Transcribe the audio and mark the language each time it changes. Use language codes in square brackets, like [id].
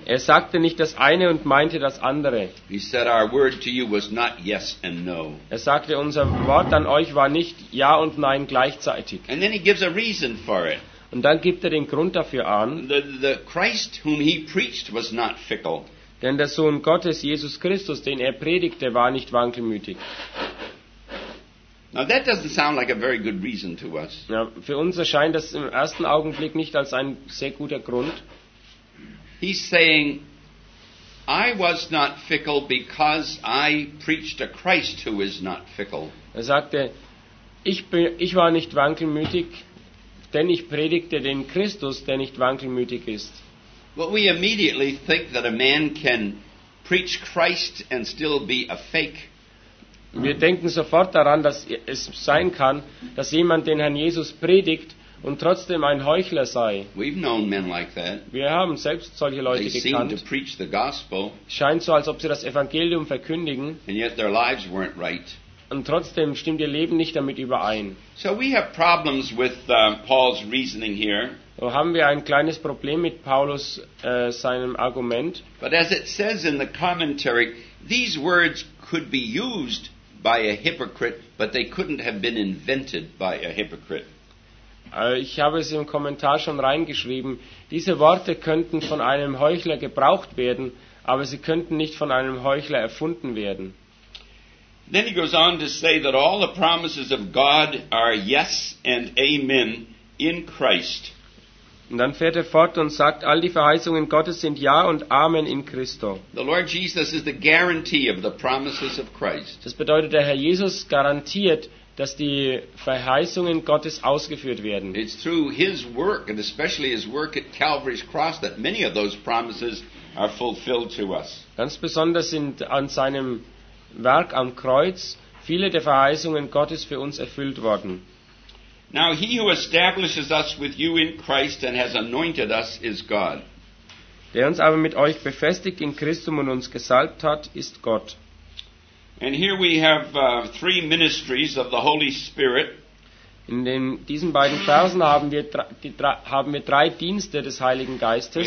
[de] Er sagte nicht das eine und meinte das andere. [en] He said our word to you was not yes and no. [de] Er sagte, unser Wort an euch war nicht Ja und Nein gleichzeitig. [en] And then he gives a reason for it. [de] Und dann gibt er den Grund dafür an. [en] The Christ whom he preached was not fickle. [de] Denn der Sohn Gottes, Jesus Christus, den er predigte, war nicht wankelmütig. [en] Now that doesn't sound like a very good reason to us. [de] Ja, für uns erscheint das im ersten Augenblick nicht als ein sehr guter Grund. [en] He's saying, I was not fickle because I preached a Christ who is not fickle. [de] Er sagte, ich war nicht wankelmütig, denn ich predigte den Christus, der nicht wankelmütig ist. [en] Well, we immediately think that a man can preach Christ and still be a fake. [de] Wir denken sofort daran, dass es sein kann, dass jemand den Herrn Jesus predigt und trotzdem ein Heuchler sei. [en] We've known men like that. [de] Wir haben selbst solche Leute [en] they [de] gekannt. [en] Seem to preach the gospel, [de] scheint so, als ob sie das Evangelium verkündigen. [en] And yet their lives weren't right. [de] Und trotzdem stimmt ihr Leben nicht damit überein. [en] So we have problems with, Paul's reasoning here. [de] So haben wir ein kleines Problem mit Paulus seinem Argument. [en] But as it says in the commentary, these words could be used by a hypocrite, but they couldn't have been invented by a hypocrite. [de] Ich habe es im Kommentar schon reingeschrieben. Diese Worte könnten von einem Heuchler gebraucht werden, aber sie könnten nicht von einem Heuchler erfunden werden. [en] Then he goes on to say that all the promises of God are yes and amen in Christ. [de] Und dann fährt er fort und sagt, all die Verheißungen Gottes sind ja und amen in Christo. [en] The Lord Jesus is the guarantee of the promises of Christ. [de] Das bedeutet, der Herr Jesus garantiert, dass die Verheißungen Gottes ausgeführt werden. [en] It's through his work and especially his work at Calvary's cross that many of those promises are fulfilled to us. [de] Ganz besonders sind an seinem Werk am Kreuz viele der Verheißungen Gottes für uns erfüllt worden. [en] Now he who establishes us with you in Christ and has anointed us is God. [de] Der uns aber mit euch befestigt in Christum und uns gesalbt hat, ist Gott. [en] And here we have three ministries of the Holy Spirit. [de] In diesen beiden Versen haben wir drei Dienste des Heiligen Geistes.